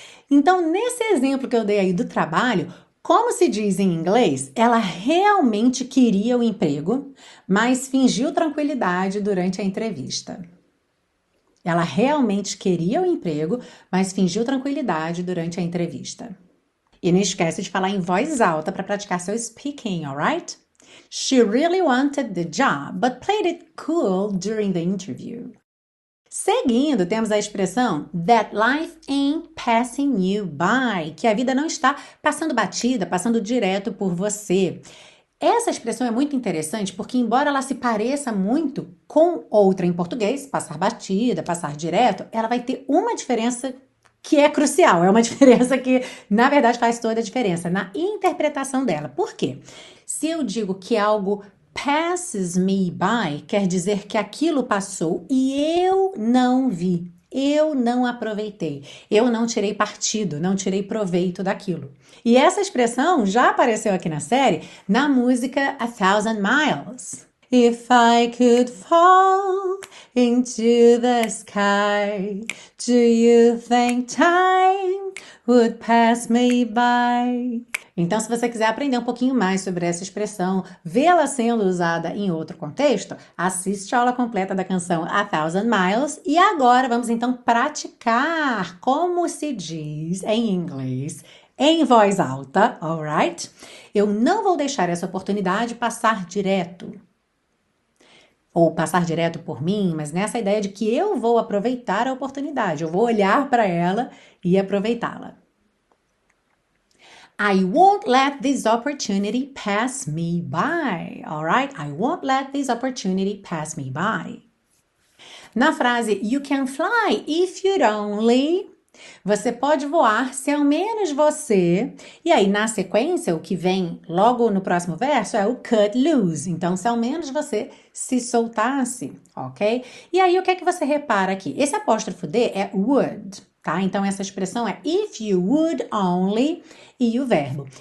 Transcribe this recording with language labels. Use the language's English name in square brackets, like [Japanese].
[Portuguese] Então, nesse exemplo que eu dei aí do trabalho, como se diz em inglês, ela realmente queria o emprego, mas fingiu tranquilidade durante a entrevista. Ela realmente queria o emprego, mas fingiu tranquilidade durante a entrevista. E não esquece de falar em voz alta para praticar seu speaking, alright? [English] She really wanted the job, but played it cool during the interview. [Portuguese] Seguindo, temos a expressão [English] that life ain't passing you by, [Portuguese] que a vida não está passando batida, passando direto por você. Essa expressão é muito interessante porque, embora ela se pareça muito com outra em português, passar batida, passar direto, ela vai ter uma diferença que é crucial, é uma diferença que, na verdade, faz toda a diferença na interpretação dela. Por quê? Se eu digo que algo [English] passes me by, [Portuguese] quer dizer que aquilo passou e eu não vi, eu não aproveitei, eu não tirei partido, não tirei proveito daquilo. E essa expressão já apareceu aqui na série, na música A Thousand Miles. [English] If I could fall into the sky, do you think time would pass me by? [Portuguese] Então, se você quiser aprender um pouquinho mais sobre essa expressão, vê-la sendo usada em outro contexto, assiste a aula completa da canção A Thousand Miles. E agora vamos então praticar como se diz em inglês, em voz alta, alright? Eu não vou deixar essa oportunidade passar direto. Ou passar direto por mim, mas nessa ideia de que eu vou aproveitar a oportunidade, eu vou olhar para ela e aproveitá-la. [English] I won't let this opportunity pass me by. All right? I won't let this opportunity pass me by. [Portuguese] Na frase [English] You can fly if you'd only. [Portuguese] Você pode voar se ao menos você. E aí, na sequência, o que vem logo no próximo verso é o cut loose. Então, se ao menos você se soltasse, ok? E aí, o que é que você repara aqui? Esse apóstrofo D é would. Tá? Então, essa expressão é [English] if you would only [Portuguese] e o verbo.